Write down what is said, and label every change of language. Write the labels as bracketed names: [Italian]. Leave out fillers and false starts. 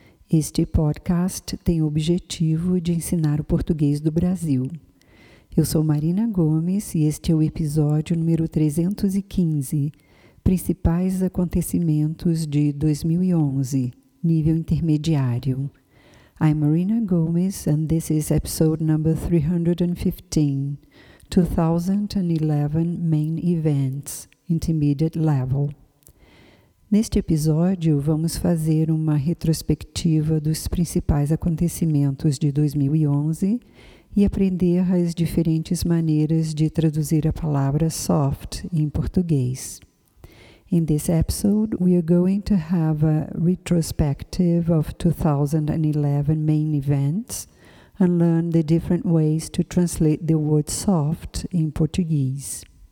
[Portuguese] Este podcast tem o objetivo de ensinar o português do Brasil. Eu sou Marina Gomes e este é o episódio número 315, Principais Acontecimentos de 2011, Nível Intermediário. [English] I'm Marina Gomes and this is episode number 315, 2011 Main Events, Intermediate Level. [Portuguese] Neste episódio, vamos fazer uma retrospectiva dos principais acontecimentos de 2011 e aprender as diferentes maneiras de traduzir a palavra soft em português. [English] In this episode, we are going to have a retrospective of 2011 main events and learn the different ways to translate the word soft in Portuguese.